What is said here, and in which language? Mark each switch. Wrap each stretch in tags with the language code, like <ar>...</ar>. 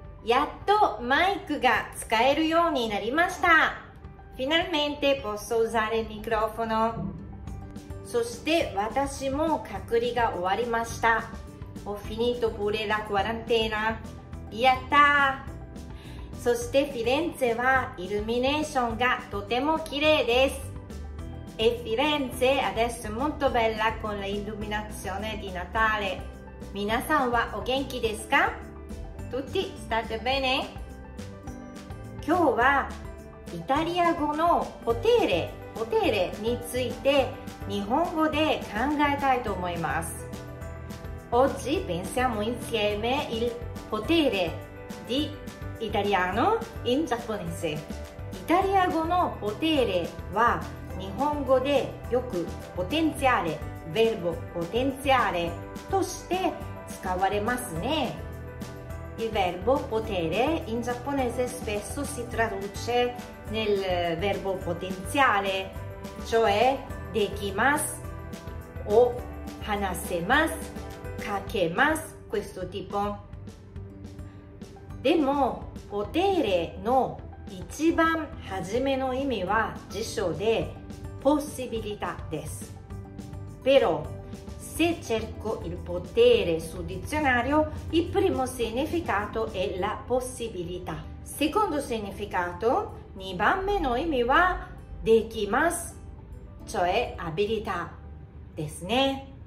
<ja>やっとマイクが使えるようになりました。</ja> <it>Finalmente posso usare il microfono。</it> <ja>そして私も隔離が終わりました。</ja> <it>Ho finito pure la quarantena。</it> <ja>やったー。そしてフィレンツェはイルミネーションがとても綺麗です。</ja> <it>E Firenze adesso è molto bella con l'illuminazione di Natale。</it> <ja>皆さんはお元気ですか？</ja> <it>Tutti state bene?</it> <ja>今日はイタリア語のポテレについて日本語で考えたいと思います。</ja> <it>Oggi pensiamo insieme il potere di italiano in giapponese。</it> <ja>イタリア語のポテレは日本語でよくポテンシャル、</ja> <it>verbo potenziare</it> <ja>として使われますね。</ja> <it>Il verbo potere in giapponese spesso si traduce nel verbo potenziare, cioè</it> <ja>できます</ja> <it>o</it> <ja>話せます、書けます</ja> <it>questo tipo。</it> <ja>でも potere の一番初めの意味は辞書で possibilità です。</ja> <it>Però, se cerco il potere sul dizionario, il primo significato è la possibilità. Secondo significato,</it> <ja>nibanme no imi wa dekimasu,</ja> <it>cioè abilità,</it> <ja>desu ne.</ja>